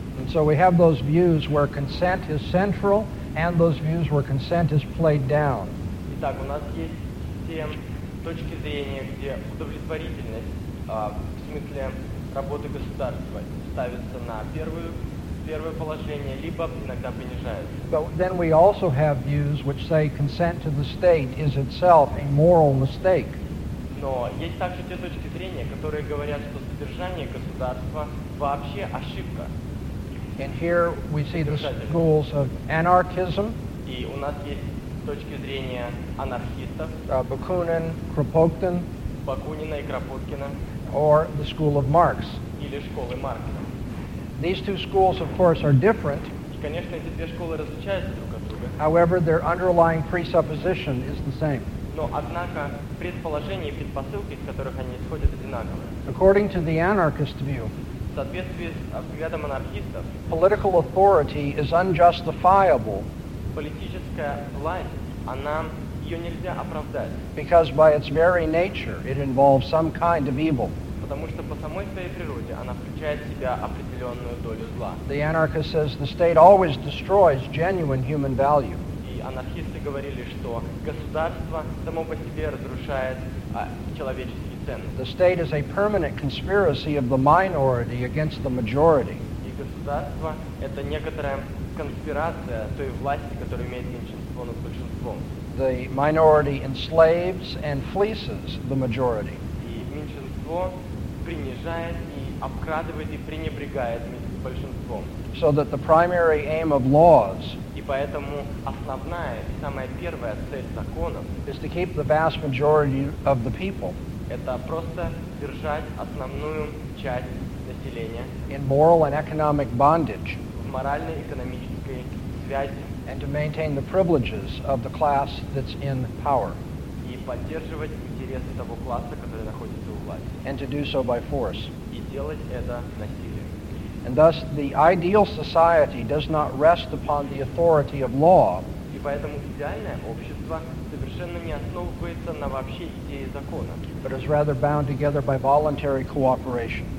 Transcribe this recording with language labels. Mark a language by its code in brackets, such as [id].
[en] And so we have those views where consent is central and those views where consent is played down. [ru] Итак, у нас есть те точки зрения, где удовлетворительность в смысле работы государства ставится на первое положение, либо иногда понижается. [en] But then we also have views which say consent to the state is itself a moral mistake. [ru] Но есть также те точки зрения, которые говорят, что содержание государства вообще ошибка. [en] And here we see the schools of anarchism. [ru] И у нас есть точки зрения анархистов. Бакунин, Кропоткин. Бакунина и Кропоткина. [en] Or the school of Marx. [ru] Или школы Маркса. [en] These two schools, of course, are different. [ru] И, конечно, эти две школы различаются друг от друга. [en] However, their underlying presupposition is the same. [ru] Но, однако, предположения и предпосылки, из которых они исходят, одинаковые. [en] According to the anarchist view, [ru] в соответствии с взглядом анархистов, [en] political authority is unjustifiable. [ru] Политическая власть, она ее нельзя оправдать. [en] Because by its very nature, it involves some kind of evil. [ru] Потому что по самой своей природе она включает в себя определенную долю зла. [en] The anarchist says the state always destroys genuine human value. [ru] И анархисты говорили, что государство само по себе разрушает человеческие. [en] The state is a permanent conspiracy of the minority against the majority. [ru] И государство это некоторая конспирация той власти, которая имеет меньшинство над большинством. [en] The minority enslaves and fleeces the majority. [ru] И меньшинство принижает и обкрадывает и пренебрегает большинством. [en] So that the primary aim of laws. [ru] И поэтому основная и самая первая цель законов. [en] Is to keep the vast majority of the people. [ru] Это просто держать основную часть населения. [en] In moral and economic bondage. [ru] В моральной и экономической связи. [en] And to maintain the privileges of the class that's in power. [ru] И поддерживать интересы того класса, который находится у власти. [en] And to do so by force. [ru] И делать это насилием. [en] And thus, the ideal society does not rest upon the authority of law. [ru] И поэтому идеальное общество совершенно не основывается на вообще идее закона. [en] But is rather bound together by voluntary cooperation.